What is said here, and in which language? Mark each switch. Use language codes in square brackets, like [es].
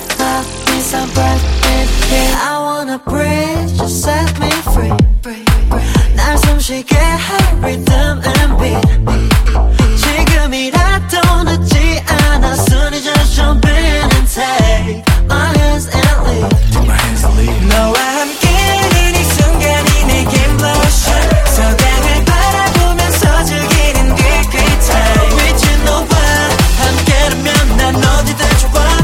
[en] I wanna breathe, just set me free. [ko] 날 숨 쉬게 할 [en] rhythm and beat. [ko] 지금이라도 늦지 않아 손이 [en] just jump in and take my hands and leave. Take my hands and leave. [ko] 너와 함께 있는 이 순간이 내게 emotion. 서당을 바라보면서 즐기는 [en] good great time. With you [ko] 너와 함께라면 난 어디든 좋아.